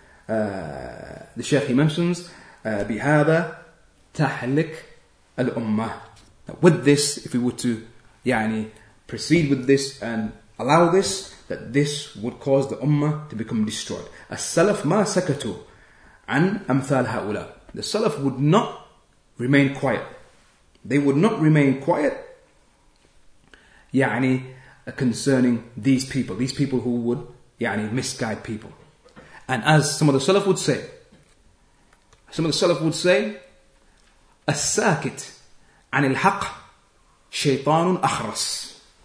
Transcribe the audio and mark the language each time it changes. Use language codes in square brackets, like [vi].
[en] The Shaykh, he mentions, [ar] بهذا تحلك الأمة. [en] With this, if we were to يعني, proceed with this and allow this, that this would cause the Ummah to become destroyed. [ar] السلف ما سكتوا عن أمثال هؤلاء. [en] The Salaf would not remain quiet. They would not remain quiet يعني, concerning these people. These people who would يعني, misguide people. And as some of the Salaf would say, some of the Salaf would say, [ar] "As-sakit an al-haq, shaytanun akhras."